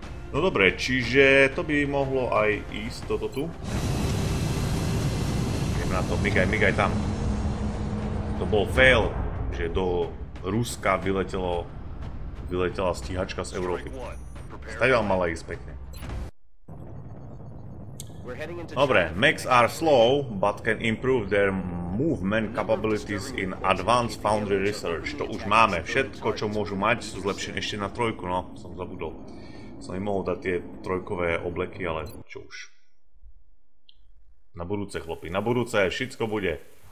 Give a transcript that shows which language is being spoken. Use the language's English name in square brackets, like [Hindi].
[Slovak] No dobre, čiže to by mohlo aj ísť toto tu. Ideme na to, migaj tam. To bol fail, že do Ruska vyletela stíhačka z Európy. Stadiaľ mala ísť pekne. [English] Dobre, mechs are slow, but can improve their movement capabilities in advanced foundry research. [Slovak] To už máme, všetko čo môžu mať sú zlepšené. Ešte na trojku, no, som zabudol. Som im mohol dať tie trojkové obleky, ale čo už. Na budúce, chlopi, na budúce, všetko bude.